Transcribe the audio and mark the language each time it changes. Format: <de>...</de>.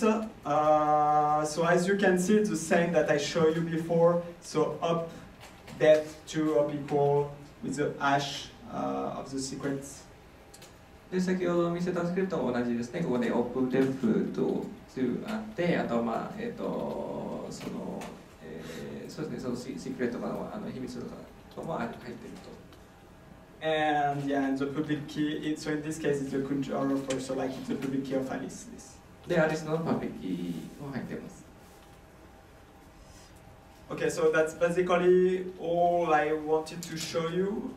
<en>So as you can see, it's the same that I showed you before. So up depth to up equal with the hash of the sequence.</en> <ja>で先ほど見せたスクリプトも同じですね。ここで</ja> <en>up depth to</en> <ja>あって、あとまあその、そうですね。そのシークレットとかあの秘密とかとも入っていると。</ja> <en>And yeah, and the public key. So in this case, it's a control offer. So like, it's the public key of Alice. This.</en> <ja>The Alice の public key も入ってます。</ja> <en>Okay, so that's basically all I wanted to show you.</en>